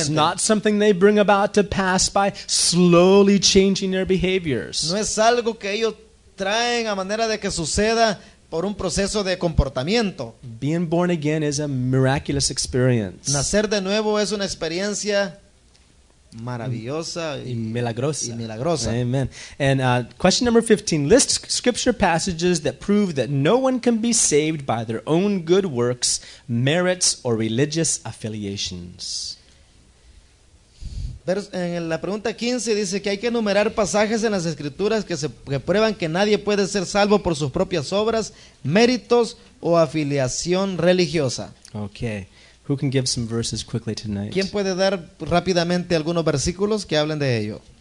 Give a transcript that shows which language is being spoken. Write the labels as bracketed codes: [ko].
[en] It's not something they bring about to pass by slowly changing their behaviors. [es] No es algo que ellos traen a manera de que suceda por un proceso de comportamiento. [en] Being born again is a miraculous experience. [es] Nacer de nuevo es una experiencia maravillosa y milagrosa. Amen. [en] And question number 15 lists scripture passages that prove that no one can be saved by their own good works, merits, or religious affiliations. [es] En la pregunta 15 dice que hay que enumerar pasajes en las escrituras que prueban que nadie puede ser salvo por sus propias obras, méritos o afiliación religiosa. [en] Okay. Who can give some verses quickly tonight? [es] ¿Quién puede dar rápidamente algunos versículos que hablen de ello?